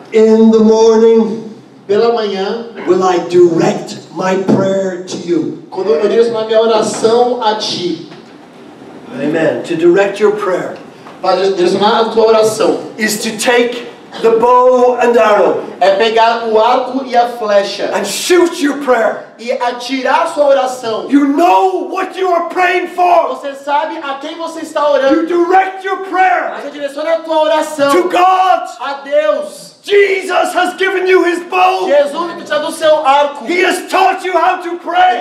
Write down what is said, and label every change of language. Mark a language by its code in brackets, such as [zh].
[en] In the morning. [pt] Pela manhã. [en] Will I direct my prayer to you? [pt] Quando eu direciono a minha oração a ti. [en] Amen. To direct your prayer. [pt] para direcionar a tua oração. [en] Is to take the bow and arrow. [pt] É pegar o arco e a flecha. [en] And shoot your prayer. [pt] E atirar sua oração. [en] You know what you are praying for. [pt] Você sabe a quem você está orando. [en] You direct your prayer. [pt] Você direciona a tua oração. [en] To God. [pt] A Deus. [en] Jesus has given you his bow. [pt] Jesus te deu o seu arco. [en] He has taught you how to pray.